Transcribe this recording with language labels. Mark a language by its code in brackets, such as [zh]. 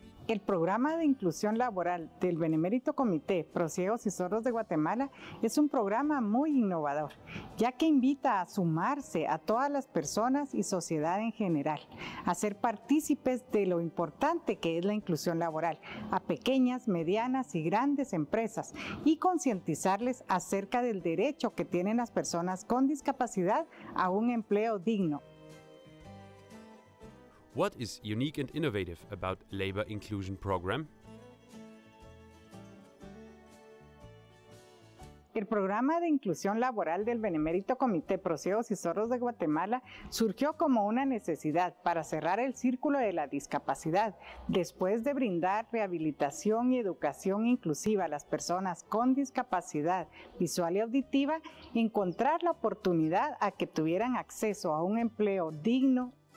[es] El programa de inclusión laboral del Benemérito Comité Pro-Ciegos y Sordos de Guatemala es un programa muy innovador, ya que invita a sumarse a todas las personas y sociedad en general, a ser partícipes de lo importante que es la inclusión laboral, a pequeñas, medianas y grandes empresas, y concientizarles acerca del derecho que tienen las personas con discapacidad a un empleo digno. [en] What is unique and innovative about Labor Inclusion Program? [es] El programa de inclusión laboral del Benemérito Comité Pro-Ciegos y Sordos de Guatemala surgió como una necesidad para cerrar el círculo de la discapacidad después de brindar rehabilitación y educación inclusiva a las personas con discapacidad visual y auditiva, encontrar la oportunidad a que tuvieran acceso a un empleo digno.